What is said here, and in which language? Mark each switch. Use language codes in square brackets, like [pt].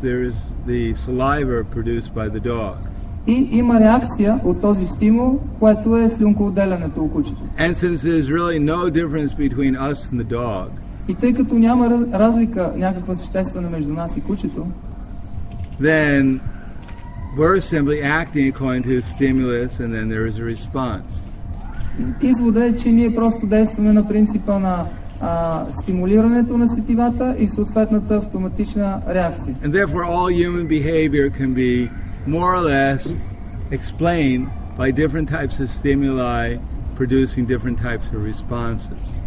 [en] There is the saliva produced by the dog. [bg] И има реакция от този стимул, което е слюнкоотделянето у кучета. [en] And since there's really no difference between us and the dog. [bg] И тъй като няма разлика някаква съществена между нас и кучето, [en] then we're simply acting according to stimulus and then there is a response. [bg] Извода е, че ние просто действаме на принципа на стимулирането на сетивата и съответната автоматична реакция. [en] And therefore all human behavior can be more or less explained by different types of stimuli producing different types of responses.